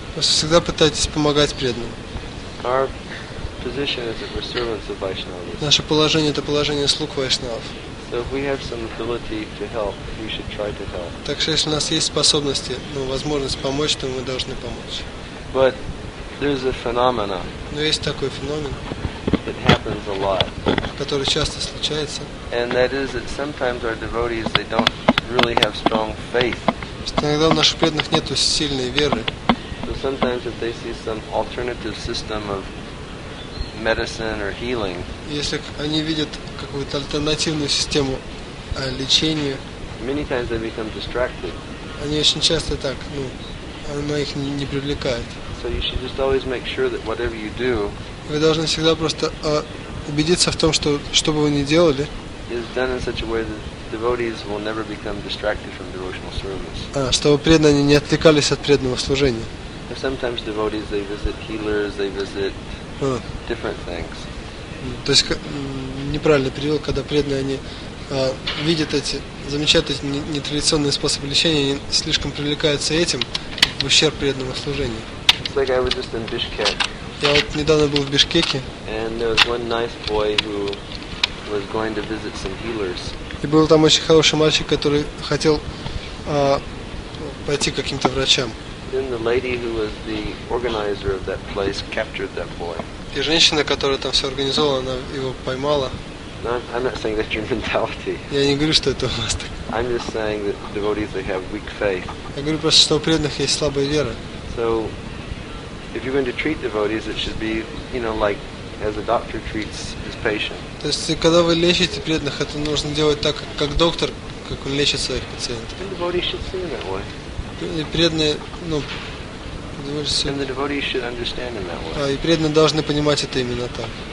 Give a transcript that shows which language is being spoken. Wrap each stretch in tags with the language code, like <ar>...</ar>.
<ru>Вы всегда пытаетесь помогать преданным.</ru> <en>Our position is that we're servants of Vaishnavas.</en> <ru>Наше положение — это положение слуг Вайшнавов.</ru> <en>So if we have some ability to help, we should try to help.</en> <ru>Так что если у нас есть способности, ну, возможность помочь, то мы должны помочь.</ru> <en>But there's a phenomena.</en> <ru>Но есть такой феномен.</ru> <en>That happens a lot.</en> <ru>Который часто случается.</ru> <en>And that is that sometimes our devotees, they don't really have strong faith.</en> <ru>Иногда у наших преданных нет сильной веры.</ru> <en>So sometimes if they see some alternative system of medicine or healing.</en> <ru>Если они видят какую-то альтернативную систему лечения.</ru> <en>Many times they become distracted.</en> <ru>Они очень часто так, ну, она их не привлекает.</ru> <en>So you should just always make sure that whatever you do.</en> <ru>Вы должны всегда просто убедиться в том, что что бы вы ни делали.</ru> <en>Is done in such a way that devotees will never become distracted from devotional service.</en> <ru>Чтобы преданные не отвлекались от преданного служения.</ru> <en>And sometimes devotees they visit healers, they visit different things.</en> <ru>То есть неправильный перевод, когда преданные они видят эти, замечают эти нетрадиционные способы лечения, они слишком привлекаются этим в ущерб преданному служению.</ru> <en>It's like I was just in Bishkek.</en> <ru>Я вот недавно был в Бишкеке.</ru> <en>And there was one nice boy who was going to visit some healers.</en> <ru>И был там очень хороший мальчик, который хотел пойти к каким-то врачам.</ru> <en>Then the lady who was the organizer of that place captured that boy.</en> <ru>И женщина, которая там все организовала, она его поймала.</ru> <en>No, I'm not saying that's your mentality.</en> <ru>Я не говорю, что это у вас так.</ru> <en>I'm just saying that devotees they have weak faith.</en> <ru>Я говорю просто, что у преданных есть слабая вера.</ru> <en>So, if you're going to treat devotees, it should be, you know, like as a doctor treats his patient.</en> <ru>То есть, когда вы лечите преданных, это нужно делать так, как доктор, как он лечит своих пациентов.</ru> <en>And devotees should see it that way.</en> <ru>И преданные, ну, и преданные должны понимать это именно так.</ru>